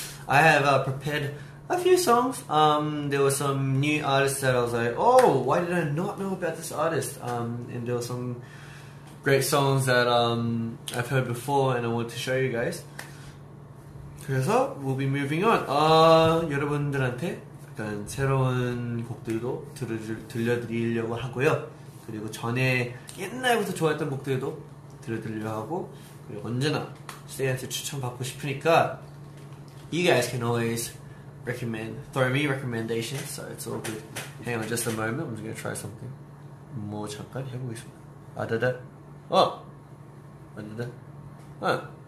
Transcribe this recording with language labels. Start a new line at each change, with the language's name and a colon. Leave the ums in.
English: I have uh, prepared a few songs. Um, there were some new artists that I was like, oh, why did I not know about this artist? Um, and there were some great songs that um, I've heard before and I want to show you guys. 그래서 we'll be moving on.
Korean: 아 여러분들한테 약간 새로운 곡들도 들려줄- 들려드리려고 하고요. 그리고 전에 옛날부터 좋아했던 곡들도 들려드리려고 하고 그리고 언제나 스테이한테 추천받고 싶으니까
English: you guys can always recommend throw me recommendations so it's all good. Hang on just a moment. I'm just gonna try something.
Korean: 뭐 잠깐 해보겠습니다. 아다다. 어. 맞는다. 어.